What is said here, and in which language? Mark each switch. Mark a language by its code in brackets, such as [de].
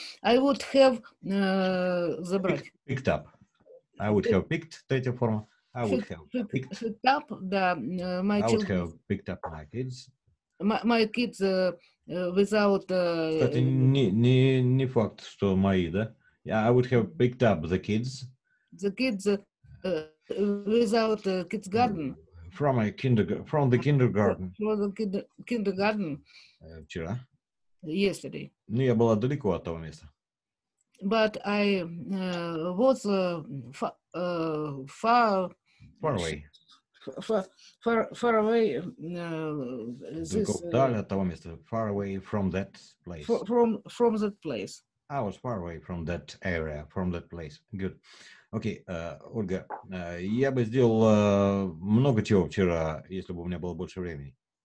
[en] I would have... [ru] забрать. [en] Picked up. I would have picked. [ru] Третья форма. [en] I would have picked up. [ru] Да, [en] I would have picked up my kids. My kids without... [ru] Кстати, не факт, что мои, да? [en] Yeah, I would have picked up the kids. The kids without kids garden. From my kindergarten, from the kindergarten. From the kindergarten. [ru] Вчера. [en] Yesterday. [ru] Ну, я была далеко от того места. [en] But I was far away. Far away. [ru] Далеко от того места. [en] Far away from that place. From that place. I was far away from that area, from that place. Good. [ru] Окей, Ольга, я бы сделал много чего вчера, если бы у меня было больше времени.